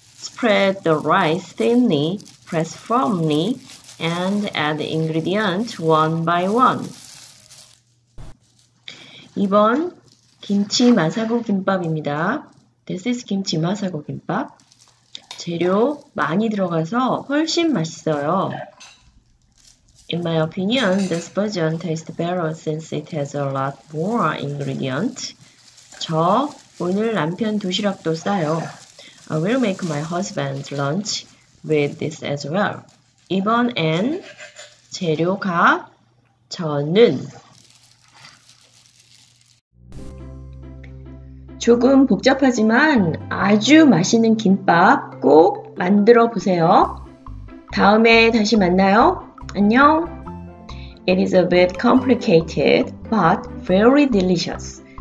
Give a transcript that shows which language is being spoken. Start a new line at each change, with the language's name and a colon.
English: Spread the rice thinly, press firmly, and add ingredients one by one.
Korean: 이번 김치 마사구 김밥입니다.
English: This is
Korean: 김치 마사구 김밥. 재료 많이 들어가서 훨씬 맛있어요.
English: In my opinion, this version tastes better since it has a lot more ingredients.
Korean: 저 오늘 남편 도시락도 싸요.
English: I will make my husband's lunch with this as well.
Korean: 이번엔 재료가 저는 조금 복잡하지만 아주 맛있는 김밥 꼭 만들어 보세요. 다음에 다시 만나요. 안녕.
English: It is a bit complicated, but very delicious.